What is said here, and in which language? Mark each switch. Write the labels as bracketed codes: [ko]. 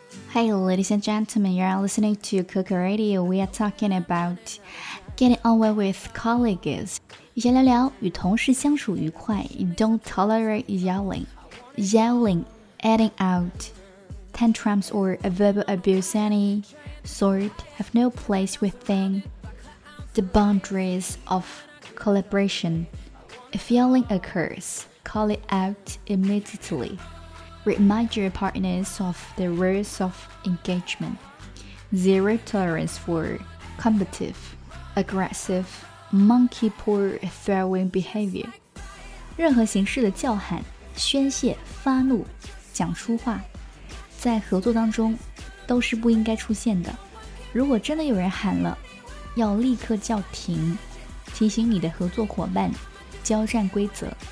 [en] Hey, ladies and gentlemen, you are listening to Coco Radio. We are talking about getting on well with colleagues. [zh] 先聊聊与同事相处愉快。 [en] Don't tolerate yelling. Yelling, adding out, tantrums or verbal abuse any sort have no place within the boundaries of collaboration. If yelling occurs, call it out immediately. Remind your partners of the rules of engagement. Zero tolerance for combative, aggressive, monkey paw throwing behavior. [zh] 任何形式的叫喊、宣泄、发怒、讲粗话，在合作当中都是不应该出现的。如果真的有人喊了，要立刻叫停，提醒你的合作伙伴交战规则。